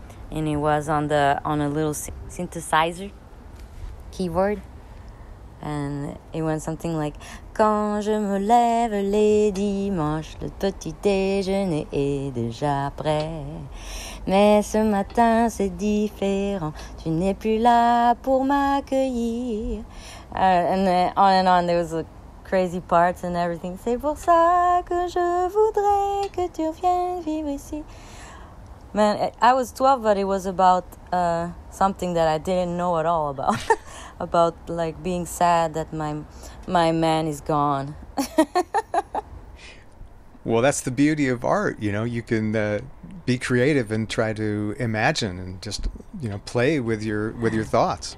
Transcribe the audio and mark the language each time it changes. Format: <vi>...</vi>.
<en>And it was on a little synthesizer keyboard. And it went something like,</en> <fr>quand je me lève les dimanches, le petit déjeuner est déjà prêt. Mais ce matin, c'est différent. Tu n'es plus là pour m'accueillir.</fr> <en>And on, there was the crazy parts and everything.</en> <fr>C'est pour ça que je voudrais que tu reviennes vivre ici.</fr> <en>Man, I was 12, but it was about something that I didn't know at all about. About, like, being sad that my man is gone. Well, that's the beauty of art, you know? You can be creative and try to imagine and just, you know, play with your thoughts.</en>